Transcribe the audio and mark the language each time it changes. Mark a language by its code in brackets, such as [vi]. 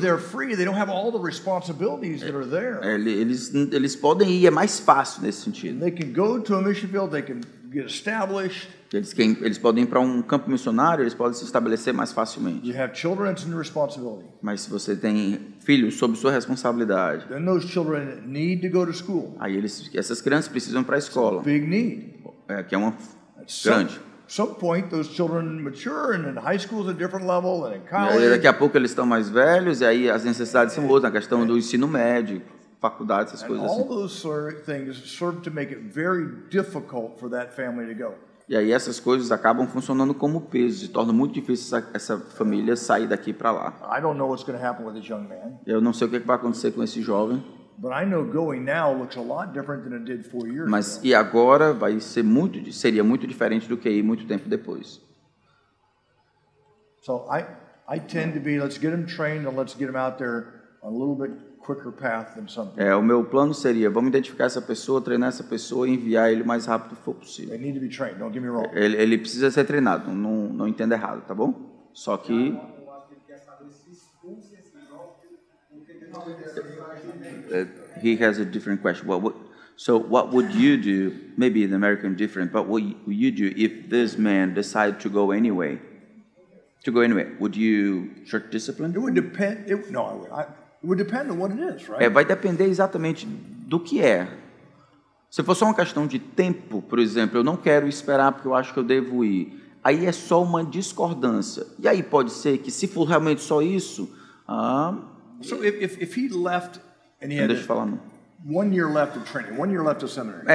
[en] they're free, they don't have all the responsibilities that are there. [pt] Eles podem ir, é mais fácil nesse sentido. [en] They can go to a mission field, they can get established. [pt] Eles podem ir para um campo missionário, eles podem se estabelecer mais facilmente. [en] You have children, it's your responsibility. [pt] Mas se você tem filhos sob sua responsabilidade, [en] then those children need to go to school. [pt] Aí essas crianças precisam ir para a escola. [en] Big need. [pt] Que é uma grande. [en] At some point, those children mature, and in high school is a different level, and in college. [pt] Daqui a pouco eles estão mais velhos, e aí as necessidades são outras, a questão do ensino médio. Faculdade, essas coisas assim. [en] And all those things serve to make it very difficult for that family to go. [pt] E aí essas coisas acabam funcionando como peso e torna muito difícil essa família sair daqui para lá. [en] I don't know what's going to happen with this young man. [pt] Eu não sei o que vai acontecer com esse jovem. [en] But I know going now looks a lot different than it did 4 years. [pt] Mas e agora vai ser muito, seria muito diferente do que ir muito tempo depois. [en] So I tend to be, let's get him trained and let's get him out there a little bit quicker path than something. [pt] O meu plano seria, vamos identificar essa pessoa, treinar essa pessoa e enviar ele o mais rápido que for possível. [en] They need to be trained, don't get me wrong. [pt] Ele precisa ser treinado, não entenda errado, tá bom? Só que... [en] he has a different question. What would you do, maybe in American different, but what would you do if this man decided to go anyway? To go anyway, would you short discipline? It would depend, it would depend on what it is, right? [pt] Vai depender exatamente do que é. Se for só uma questão de tempo, por exemplo, eu não quero esperar porque eu acho que eu devo ir. Aí é só uma discordância. E aí pode ser que se for realmente só isso, [en] So if he left and he had [pt] deixa eu falar, não. [en] 1 year left of training, 1 year left of seminary.